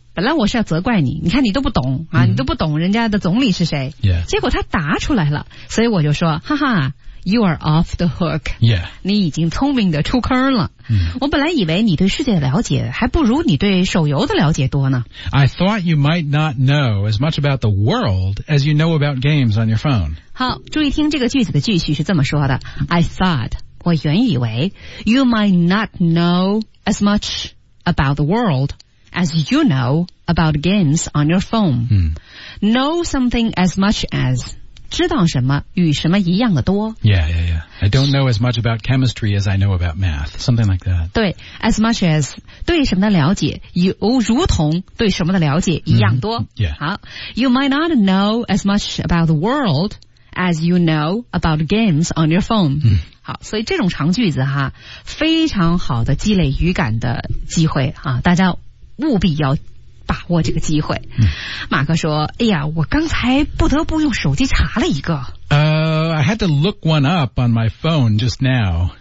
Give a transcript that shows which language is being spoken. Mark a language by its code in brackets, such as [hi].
[zh] 本来我是要责怪你，你看你都不懂啊、嗯，你都不懂人家的总理是谁。 [en] Yeah. [zh] 结果他答出来了，所以我就说，哈哈 ， [en] You are off the hook。 Yeah. [zh] 你已经聪明的出坑了、嗯。我本来以为你对世界的了解还不如你对手游的了解多呢。 [en] I thought you might not know as much about the world as you know about games on your phone。 [zh] 好，注意听这个句子的句序是这么说的 ： [en] I thought [zh] 我原以为 [en] you might not know as much about the world。 As you know about games on your phone,、嗯、 know something as much as [zh] 知道什么与什么一样的多。 [en] Yeah, yeah, yeah. I don't know as much about chemistry as I know about math. Something like that. [zh] 对 ， [en] as much as [zh] 对什么的了解，如同对什么的了解一样多。 [en] Mm-hmm. Yeah. 好 ，you might not know as much about the world as you know about games on your phone.、嗯 [zh] 好，所以这种长句子哈，非常好的积累语感的机会啊，大家务必要把握这个机会。嗯、马克说：“哎呀，我刚才不得不用手机查了一个。 [en] I had to look one up on my phone just now.